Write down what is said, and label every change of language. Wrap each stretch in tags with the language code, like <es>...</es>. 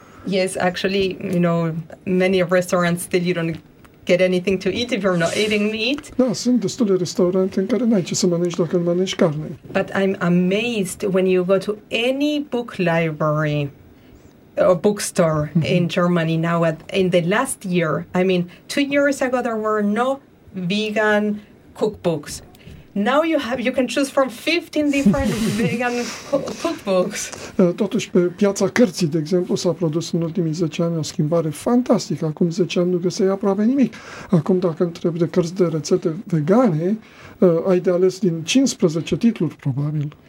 <en>Yes, actually, you know, many restaurants still you don't get anything to eat if you're not eating meat.</en> <ro>Da, sunt destule restaurante în care n-ai ce să mănânci dacă nu mănânci carne.</ro> <en>But I'm amazed when you go to any book library or bookstore in Germany now in the last year. I mean, 2 years ago there were no vegan cookbooks. Now you can choose from 15 different vegan cookbooks.</en> <ro>Totuși, pe piața cărții, de exemplu, s-a produs în ultimii 10 ani o schimbare fantastică. Acum 10 ani nu găseai aproape nimic. Acum, dacă întrebi de cărți de rețete vegane, ai de ales din 15 titluri, probabil.</ro>